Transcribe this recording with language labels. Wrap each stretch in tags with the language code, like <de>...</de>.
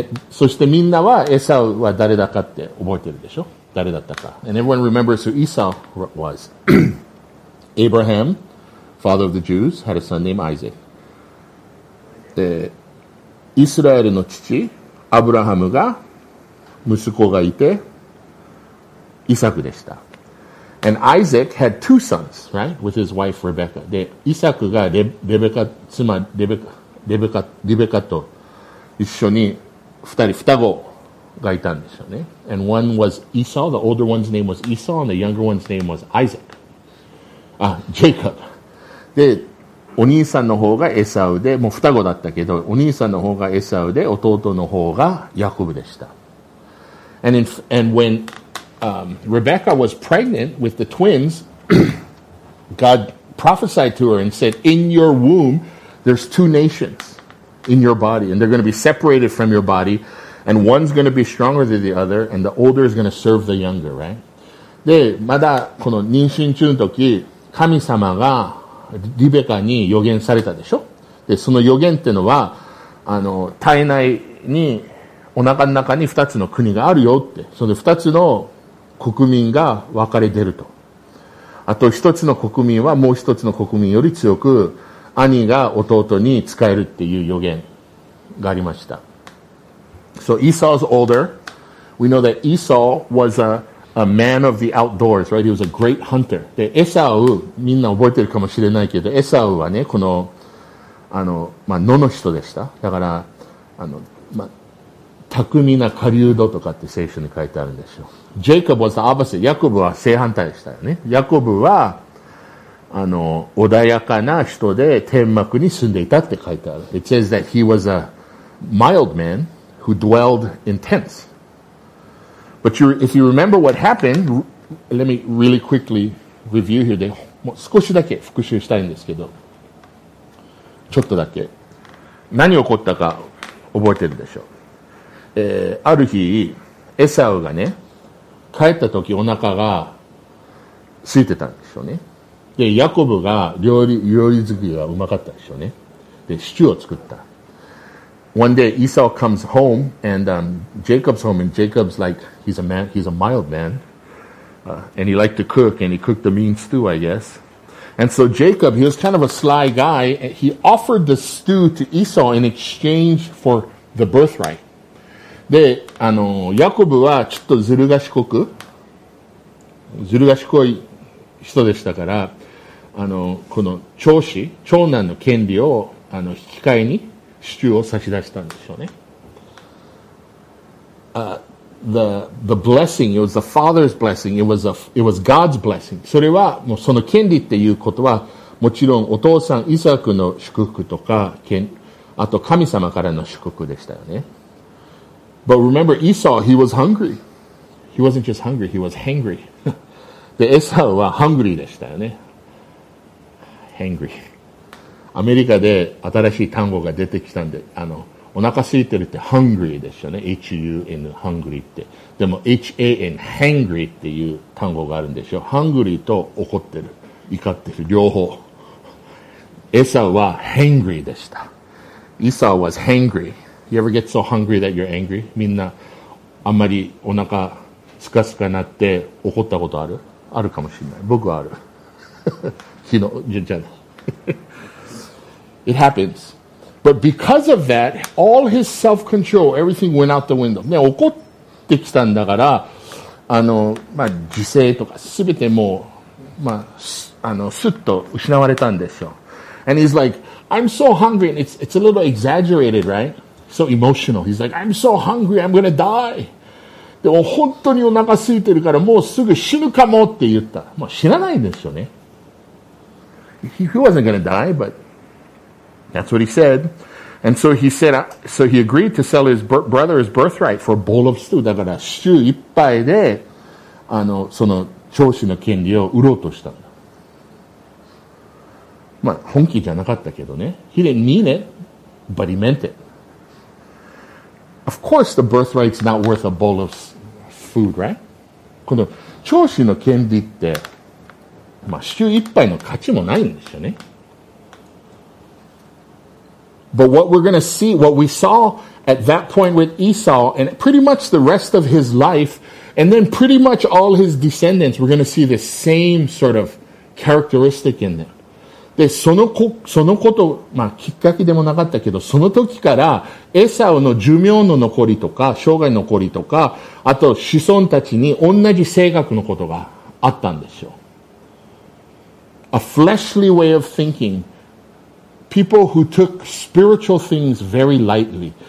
<ja>そしてみんなはエサウは誰だかって覚えてるでしょ？誰だったか。</ja> <en>And everyone remembers who Esau was. Abraham, father of the Jews, had a son named Isaac.</en> <ja>で、イスラエルの父、アブラハムが、息子がいて、イサクでした。</ja> <en>And Isaac had two sons, right? With his wife Rebecca.</en> <ja>で、イサクがレベカと一緒に双子がいたんですよね。</ja> <en>And one was Esau, the older one's name was Esau, and the younger one's name was Isaac.</en> <ja>あ、Jacob. で、お兄さんの方がエサウで、もう双子だったけど、お兄さんの方がエサウで、弟の方がヤコブでした。</ja> <en>Rebecca was pregnant with the twins. God prophesied to her and said, "In your womb, there's two nations in your body, and they're going to be separated from your body, and one's going to be stronger than the other, and the older is going to serve the younger." Right?</en> <ja>で、まだこの妊娠中の時、神様がリベカに予言されたでしょ？で、その予言ってのは、あの、体内に、お腹の中に二つの国があるよって、その二つの国民が分かれ出ると、あと一つの国民はもう一つの国民より強く兄が弟に仕えるっていう予言がありました。</ja> <en>So Esau's older. We know that Esau was a man of the outdoors, right? He was a great hunter.</en> <ja>で、エサウ、みんな覚えてるかもしれないけど、エサウはね、この、あの、まあ、野の人でした。だから、あの、まあ、巧みな狩人とかって聖書に書いてあるんですよ。</ja> <en>Jacob was the opposite.</en> <ja>ヤコブは正反対でしたよね。ヤコブは、あの、穏やかな人で天幕に住んでいたって書いてある。</ja> <en>It says that he was a mild man who dwelled in tents. But you, if you remember what happened, let me really quickly review here.</en> <ja>で、もう少しだけ復習したいんですけど、ちょっとだけ。何起こったか覚えてるでしょう。ある日、エサウがね、帰った時お腹が空いてたんでしょうね。で、ヤコブが料理作りがうまかったんでしょうね。で、シチューを作った。</ja> <en>One day, Esau comes home, and、Jacob's home, and Jacob's like, he's a man, he's a mild man.、And he liked to cook, and he cooked a mean stew, I guess. And so Jacob, he was kind of a sly guy, and he offered the stew to Esau in exchange for the birthright.</en> <ja>で、あの、ヤコブはちょっとずる賢い人でしたから、あの、この長男の権利を、あの、引き換えにシチューを差し出したんでしょうね。</ja> <en>The blessing, it was the father's blessing, it was God's blessing.</en> <ja>それは、もうその権利っていうことは、もちろんお父さん、イサクの祝福とか、あと神様からの祝福でしたよね。</ja> <en>But remember, Esau, he was hungry. He wasn't just hungry, he was hangry.</en> <ja>で、エサウは hungry でしたよね。</ja> <en>hangry.</en> <ja>アメリカで新しい単語が出てきたんで、あの、お腹空いてるって hungry でしたね。 h-u-n, hungry って。でも h-a-n, hangry っていう単語があるんでしょ。 hungry と怒ってる、怒ってる、両方。エサウは hangry でした。</ja> <en>Esau was hangry. You ever get so hungry that you're angry?</en> <ja>みんなあんまりお腹スカスカなって怒ったことある？あるかもしれない。僕はある。昨日、じゃない。</ja> <en>It happens. But because of that, all his self-control, everything went out the window.</en> <ja>ね、怒ってきたんだから、あの、まあ、自制とかすべてもう、まあ、あの、すっと失われたんですよ。</ja> <en>And he's like, I'm so hungry, and it's a little exaggerated, right? So emotional. He's like, I'm so hungry, I'm gonna die.</en> <ja>でも本当にお腹空いてるからもうすぐ死ぬかもって言った。もう死なないんですよね。</ja> <en>He wasn't gonna die, but that's what he said. And so he said, so he agreed to sell his brother his birthright for a bowl of stew.</en> <ja>だからシチューいっぱいで、あの、その長子の権利を売ろうとした。まあ本気じゃなかったけどね。</ja> <en>He didn't mean it, but he meant it. Of course, the birthright's not worth a bowl of food, right?</en> <ja>この長子の権利って、まあシチューいっぱいの価値もないんですよね。</ja> <en>But what we're going to see, what we saw at that point with Esau, and pretty much the rest of his life, and then pretty much all his descendants, we're going to see this same sort of characteristic in them.</en> <ja>で、そのこと、まあ、きっかけでもなかったけど、その時から、エサウの寿命の残りとか、生涯残りとか、あと子孫たちに同じ性格のことがあったんですよ。</ja> <en>A fleshly way of thinking. People who took spiritual things very lightly.</en>